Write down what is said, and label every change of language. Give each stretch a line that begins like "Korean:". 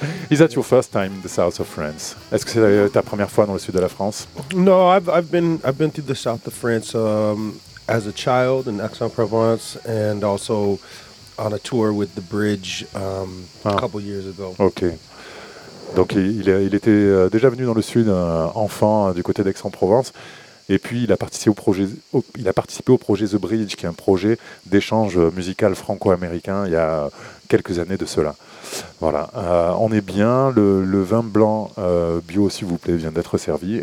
English: Is that your first time in the south of France?
French: Est-ce que c'est ta première fois dans le sud de la France?
English: No, I've been to the south of France as a child in Aix-en-Provence and also on a tour with the bridge a couple years ago. OK.
French: Donc il était déjà venu dans le sud enfant du côté d'Aix-en-Provence. Et puis il a participé au projet The Bridge, qui est un projet d'échange musical franco-américain il y a quelques années de cela. Voilà, on est bien, le vin blanc bio s'il vous plaît vient d'être servi.